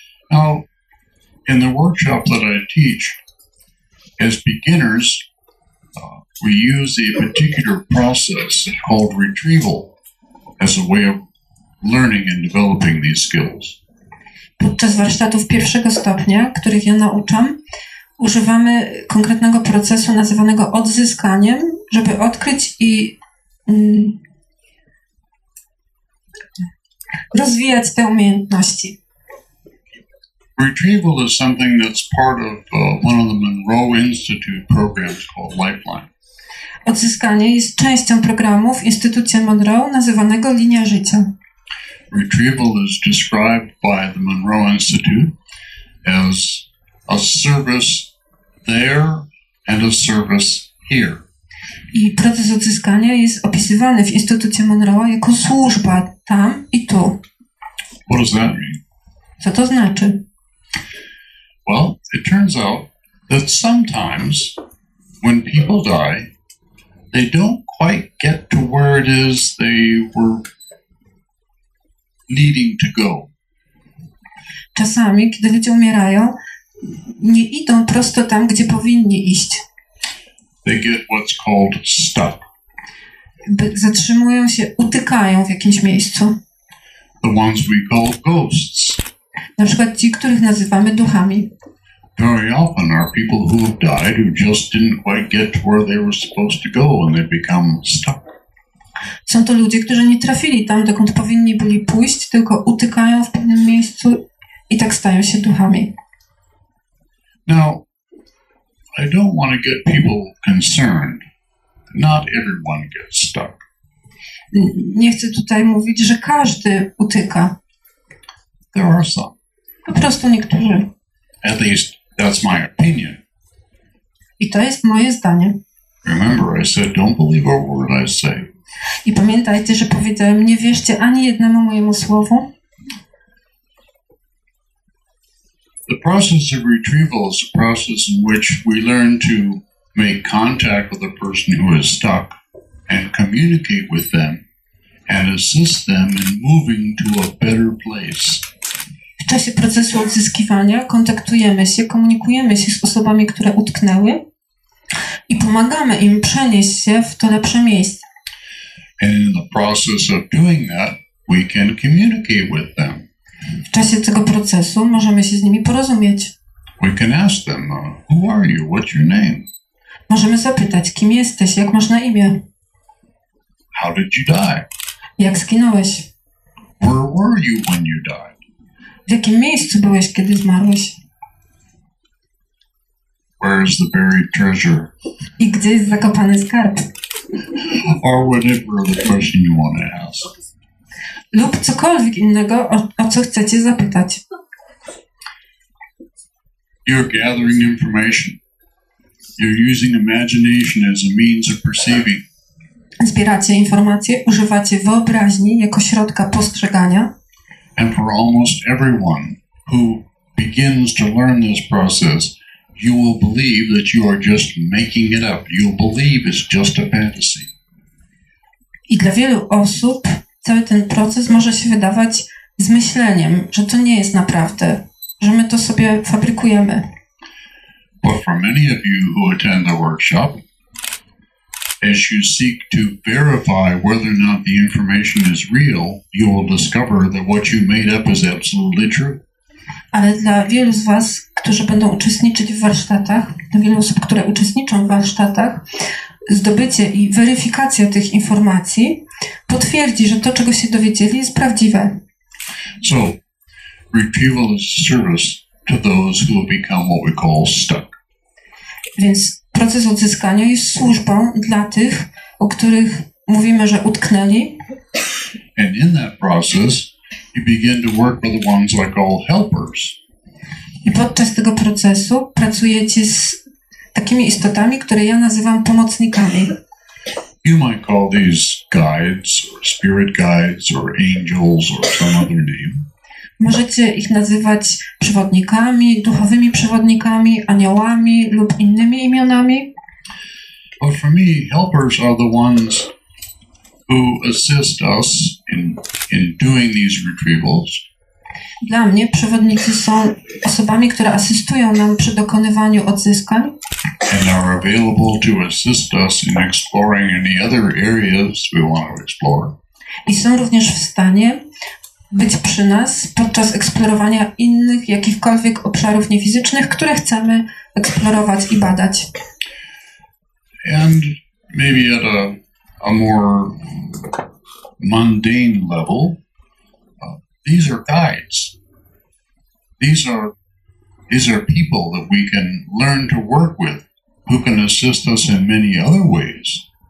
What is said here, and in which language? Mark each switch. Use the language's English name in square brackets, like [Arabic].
[English] Now, in the workshop that I teach, as beginners, we use a particular process called retrieval as a way of learning and developing these skills. [Polish] Podczas warsztatów pierwszego stopnia, których ja nauczam, używamy konkretnego procesu nazywanego odzyskaniem, żeby odkryć i rozwijać te umiejętności. [English] Retrieval is something that's part of one of the Monroe Institute programs called Lifeline. [Polish] Odzyskanie jest częścią programu w Instytucie Monroe nazywanego Linia Życia. [English] Retrieval is described by the Monroe Institute as a service there and a service here. [Polish] I proces odzyskania jest opisywany w Instytucie Monroe jako służba tam i tu. [English] What does that mean? [Polish] Co to znaczy? [English] Well, it turns out that sometimes when people die, they don't quite get to where it is they were needing to go. [Polish] Czasami, kiedy ludzie umierają, nie idą prosto tam, gdzie powinni iść. [English] They get what's called stuck. [Polish] Zatrzymują się, utykają w jakimś miejscu. [English] The ones we call ghosts. [Polish] Na przykład ci, których nazywamy duchami. [English] Very often are people who have died who just didn't quite get to where they were supposed to go and they become stuck. [Polish] Są to ludzie, którzy nie trafili tam, dokąd powinni byli pójść, tylko utykają w pewnym miejscu i tak stają się duchami. [English] Now, I don't want to get people concerned. Not everyone gets stuck. [Polish] Nie chcę tutaj mówić, że każdy utyka. [English] There are some. [Polish] Po prostu niektórzy. [English] At least that's my opinion. [Polish] I to jest moje zdanie. [English] Remember, I said, don't believe a word I say. [Polish] I pamiętajcie, że powiedziałem, nie wierzcie ani jednemu mojemu słowu. [English] The process of retrieval is a process in which we learn to make contact with a person who is stuck and communicate with them and assist them in moving to a better place. [Polish] W czasie procesu odzyskiwania kontaktujemy się, komunikujemy się z osobami, które utknęły i pomagamy im przenieść się w to lepsze miejsce. [English] And in the process of doing that, we can communicate with them. [Polish] W czasie tego procesu możemy się z nimi porozumieć. [English] We can ask them, who are you? What's your name? [Polish] Możemy zapytać, kim jesteś, jak masz na imię? [English] How did you die? [Polish] Jak zginąłeś? [English] Where were you when you died? [Polish] W jakim miejscu byłeś, kiedy zmarłeś? [English] Where is the buried treasure? [Polish] I gdzie jest zakopany skarb? [English] Or whatever the question you want to ask. [Polish] Lub cokolwiek innego, o co chcecie zapytać. [English] You're gathering information. You're using imagination as a means of perceiving. [Polish] Zbieracie informacje, używacie wyobraźni jako środka postrzegania. [English] And for almost everyone who begins to learn this process, you will believe that you are just making it up. You'll believe it's just a fantasy. [Polish] I dla wielu osób, cały ten proces może się wydawać zmyśleniem, że to nie jest naprawdę, że my to sobie fabrykujemy. [English] But for many of you who attend the workshop, as you seek to verify whether or not the information is real, you will discover that what you made up is absolutely true. [Polish] Ale dla wielu z was, którzy będą uczestniczyć w warsztatach, dla wielu osób, które uczestniczą w warsztatach, zdobycie i weryfikacja tych informacji potwierdzi, że to, czego się dowiedzieli, jest prawdziwe. [English] So, retrieval is a service to those who have become what we call stuck. [Polish] Więc proces odzyskania jest służbą dla tych, o których mówimy, że utknęli. [English] And in that process, you begin to work with the ones I call helpers. [Polish] I podczas tego procesu pracujecie z takimi istotami, które ja nazywam pomocnikami. [English] You might call these guides, or spirit guides, or angels, or some other name. [Polish] Możecie ich nazywać przewodnikami, duchowymi przewodnikami, aniołami lub innymi imionami. [English] But for me, helpers are the ones who assist us in doing these retrievals. [Polish] Dla mnie przewodnicy są osobami, które asystują nam przy dokonywaniu odzyskań. [English] And are available to assist us in exploring any other areas we want to explore. [Polish] I są również w stanie być przy nas podczas eksplorowania innych jakichkolwiek obszarów niefizycznych, które chcemy eksplorować i badać. [English] And maybe at a more mundane level, these are guides. These are people that we can learn to work with, who can assist us in many other ways.